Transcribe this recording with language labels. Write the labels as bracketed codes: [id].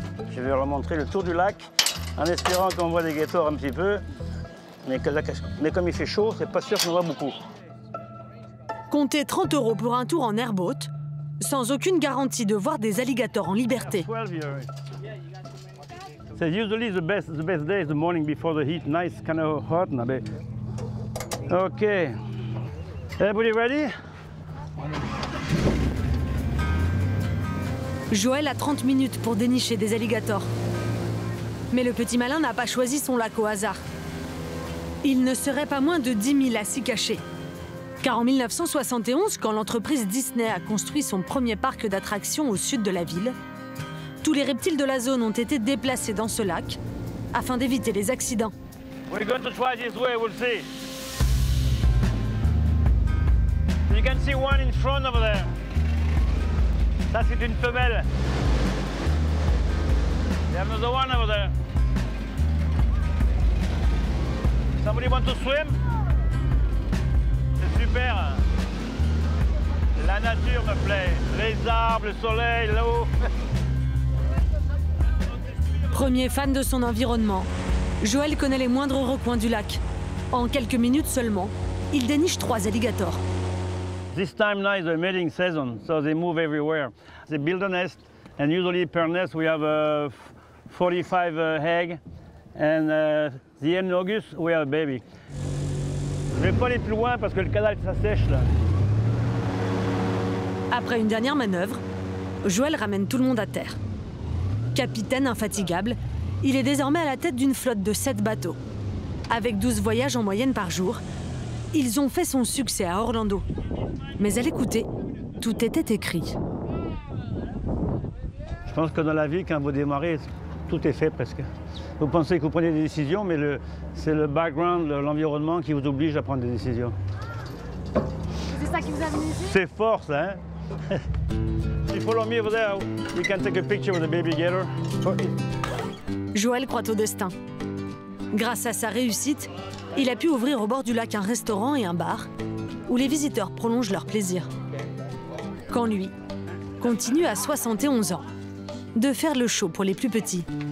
[fr] Je vais leur montrer le tour du lac, en espérant qu'on voit des alligators un petit peu. Mais comme il fait chaud, c'est pas sûr qu'on voit beaucoup. Comptez 30 euros pour un tour en airboat, sans aucune garantie de voir des alligators en liberté. C'est [en] usually the best day, the morning before the heat, nice, kind of hot, now. OK. Everybody ready? [fr] Joël a 30 minutes pour dénicher des alligators. Mais le petit malin n'a pas choisi son lac au hasard. Il ne serait pas moins de 10 000 à s'y cacher. Car en 1971, quand l'entreprise Disney a construit son premier parc d'attractions au sud de la ville, tous les reptiles de la zone ont été déplacés dans ce lac afin d'éviter les accidents. [en] We're going to try this way, we'll see. You can see one in front over there. [fr] Ça, c'est une femelle. [en] There's another one over there. Somebody want to swim? [fr] C'est super. La nature me plaît. Les arbres, le soleil, l'eau. Premier fan de son environnement, Joël connaît les moindres recoins du lac. En quelques minutes seulement, il déniche 3 alligators. [en] This time now is the mating season, so they move everywhere. They build a nest, and usually per nest we have 45 eggs. And the end of August, we have a baby. [fr] Je ne vais pas aller plus loin parce que le canal s'assèche là. Après une dernière manœuvre, Joël ramène tout le monde à terre. Capitaine infatigable, il est désormais à la tête d'une flotte de 7 bateaux. Avec 12 voyages en moyenne par jour, ils ont fait son succès à Orlando. Mais à l'écouter, tout était écrit. Je pense que dans la vie, quand vous démarrez, tout est fait presque. Vous pensez que vous prenez des décisions, mais c'est le background, l'environnement qui vous oblige à prendre des décisions. C'est ça qui vous a amené ici ? C'est fort, ça, hein. [en] If you follow me over there, we can take a picture with the baby gator. [fr] Joël croit au destin. Grâce à sa réussite, il a pu ouvrir au bord du lac un restaurant et un bar où les visiteurs prolongent leur plaisir. Quand lui continue à 71 ans de faire le show pour les plus petits.